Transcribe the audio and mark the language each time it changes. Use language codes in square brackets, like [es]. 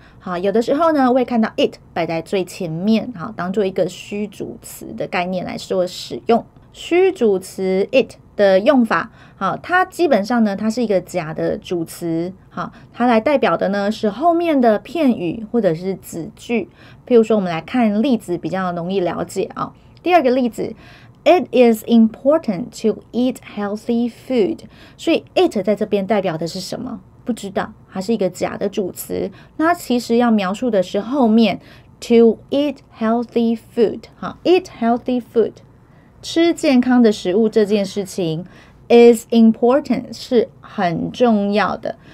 [zh] 好，有的时候呢会看到 it 摆在最前面，好，当做一个虚主词的概念来说使用。虚主词 it 的用法，好，它基本上呢它是一个假的主词，好，它来代表的呢是后面的片语或者是子句。譬如说，我们来看例子比较容易了解啊。第二个例子。 [en] It is important to eat healthy food. [zh] 所以 it 在这边代表的是什么？不知道，它是一个假的主词。那其实要描述的是后面 [en] to eat healthy food. [zh] 好 ， [en] eat healthy food， [zh] 吃健康的食物这件事情 [en] is important [zh] 是很重要的。